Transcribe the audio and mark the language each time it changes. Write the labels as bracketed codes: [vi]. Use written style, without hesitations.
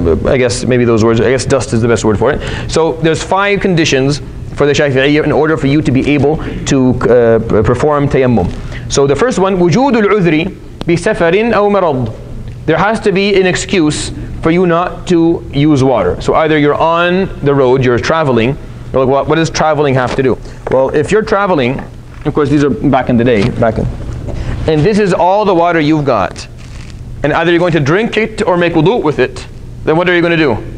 [en] I guess dust is the best word for it. So there's five conditions for the Shafi'iyya in order for you to be able to perform tayammum. So the first one, [ar] وجود العذر بسفرٍ أو مرض. [en] There has to be an excuse for you not to use water. So either you're on the road, you're traveling. You're like, what does traveling have to do? Well, if you're traveling, of course these are back in the day, and this is all the water you've got, and either you're going to drink it or make wudu with it, then what are you going to do?